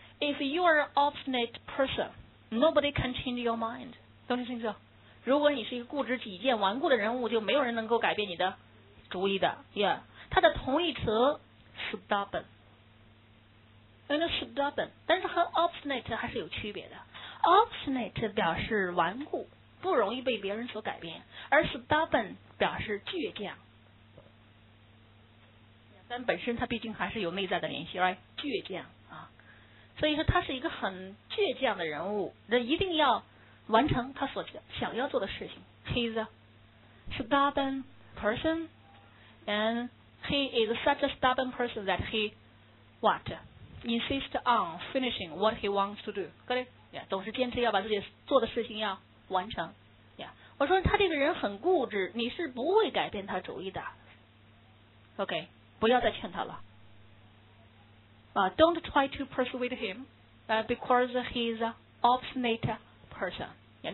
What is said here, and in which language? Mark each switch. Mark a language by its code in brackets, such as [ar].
[en] If you are an obstinate person, nobody can change your mind. Don't you think so? [zh] 如果你是一个固执己见、顽固的人物，就没有人能够改变你的主意的。 Yeah. 它的同义词 stubborn. [en] And stubborn. [zh] 但是和 obstinate 还是有区别的。Obstinate 表示顽固，不容易被别人所改变，而 stubborn 表示倔强。但本身它毕竟还是有内在的联系 ，right? 倔强啊，所以说他是一个很倔强的人物，那一定要完成他所想要做的事情。 [en] He's a stubborn person, and he is such a stubborn person that he what insist on finishing what he wants to do. Got it? Yeah, [zh] 总是坚持要把自己做的事情要完成、yeah. 我说他这个人很固执，你是不会改变他主意的。 [en] OK, [zh] 不要再劝他了、 [en] Don't try to persuade him、because he's an obstinate person、yeah.